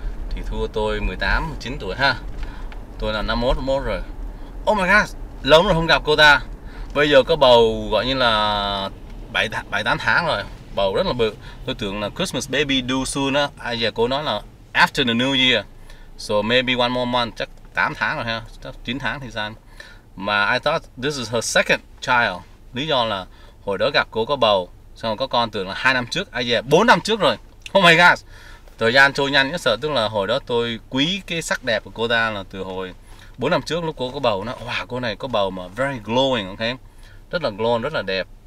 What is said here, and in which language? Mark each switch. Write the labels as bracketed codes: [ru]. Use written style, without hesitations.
[vi] Thì thua tôi 18, 19 tuổi ha. Tôi là 51, 51 rồi. [en] Oh my god, [vi] lâu rồi không gặp cô ta. Bây giờ có bầu gọi như là 7-8 tháng rồi. Bầu rất là bự. Tôi tưởng là [en] Christmas baby due soon [vi] á. À giờ cô nói là [en] after the new year. So maybe one more month, [vi] chắc 8 tháng rồi ha. Chắc 9 tháng thì sao. [en] Mà I thought this is her second child. [vi] Lý do là hồi đó gặp cô có bầu. Xong rồi có con tưởng là 2 năm trước, à yeah, 4 năm trước rồi. [en] Oh my god. [vi] Thời gian trôi nhanh nhất sợ, tức là hồi đó tôi quý cái sắc đẹp của cô ta là từ hồi 4 năm trước lúc cô có bầu nó. Wow, cô này có bầu mà [en] very glowing, [vi] ok. Rất là glow, rất là đẹp.